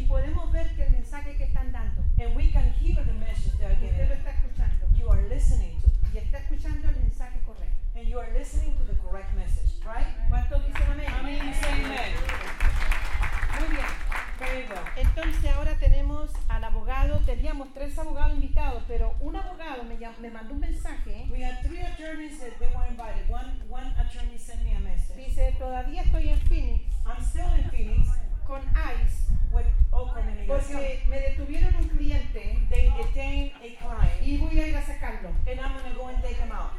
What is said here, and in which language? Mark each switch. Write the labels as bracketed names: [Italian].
[Spanish] Y podemos ver que el mensaje que están dando. [English] And we can hear the message they are giving. [Spanish] Usted lo está escuchando. [English] You are listening to. [Spanish] Y está escuchando el mensaje correcto. [English] And you are listening to the correct message, right? [Spanish] ¿Cuánto dicen amén? Amén. Muy bien. [English] Very well. [Spanish] Entonces ahora tenemos al abogado. Teníamos tres abogados invitados, pero un abogado me mandó un mensaje. [English] We had three attorneys that they were invited. One attorney sent me a message. [Spanish] Dice, todavía estoy en Phoenix. [English] I'm still in Phoenix [Spanish] con ICE [English] with Oakland Immigration. [Spanish] Porque me detuvieron un cliente. [English] They detained a client. [Spanish] Y voy a ir a sacarlo. [English] And I'm going to go and take him out.